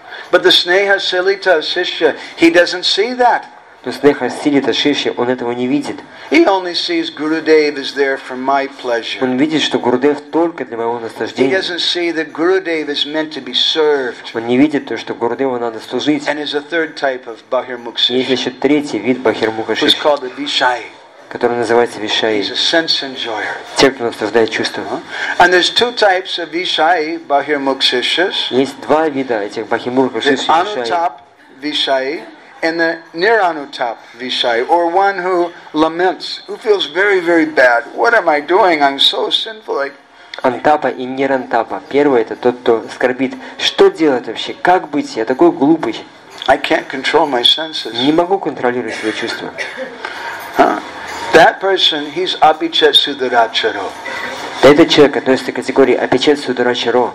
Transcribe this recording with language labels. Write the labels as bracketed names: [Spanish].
[English] But the sneha silita shishya, he doesn't see that. [Russian] То sneha silita shishya, он этого не видит. [English] He only sees Gurudev is there for my pleasure. [Russian] Он видит, что Гурудев только для моего наслаждения. [English] He doesn't see that Gurudev is meant to be served. [Russian] Он не видит то, что Гурудеву надо служить. [English] And is a third type of bahirmukshishya. [Russian] Есть еще третий вид бахирмукшишья. [English] Who's called the vishayi. [Russian] Который называется вишай. [English] He's a sense enjoyer. [Russian] Те, кто наслаждает чувства. [English] And there's two types of vishai bahirmukshishyas. [Russian] Есть два вида этих бахирмукшишьи. [English] The anutap vishai and the niranutap vishai, or one who laments, who feels very, very bad. What am I doing? I'm so sinful. [Russian] Антапа и нирантапа. Первый это тот, кто скорбит. Что делать вообще? Как быть? Я такой глупый. [English] I can't control my senses. [Russian] Не могу контролировать свои чувства. [English] That person, he's apichet sudaracharo. [Russian] Этот человек относится к категории апичет сударачаро.